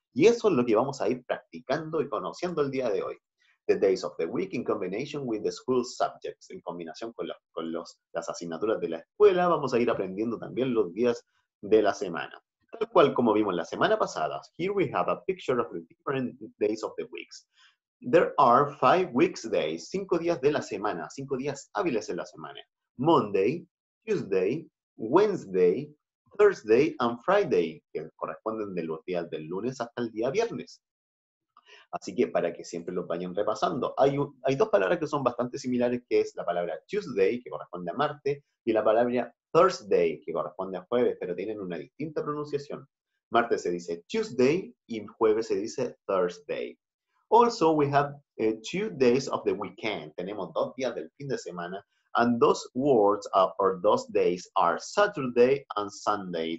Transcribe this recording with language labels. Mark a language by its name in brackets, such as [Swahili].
[Spanish] Y eso es lo que vamos a ir practicando y conociendo el día de hoy. [English] The days of the week in combination with the school subjects. [Spanish] En combinación con los, las asignaturas de la escuela, vamos a ir aprendiendo también los días de la semana. Tal cual como vimos la semana pasada. [English] Here we have a picture of the different days of the weeks. There are five weeks days. [Spanish] Cinco días de la semana. Cinco días hábiles en la semana. Monday, Tuesday, Wednesday, Thursday and Friday, que corresponden de los días del lunes hasta el día viernes. Así que para que siempre los vayan repasando, hay dos palabras que son bastante similares, que es la palabra Tuesday, que corresponde a martes, y la palabra Thursday, que corresponde a jueves, pero tienen una distinta pronunciación. Martes se dice Tuesday y jueves se dice Thursday. [English] Also, we have two days of the weekend. [Spanish] Tenemos dos días del fin de semana. [English] And those words or those days are Saturday and Sunday.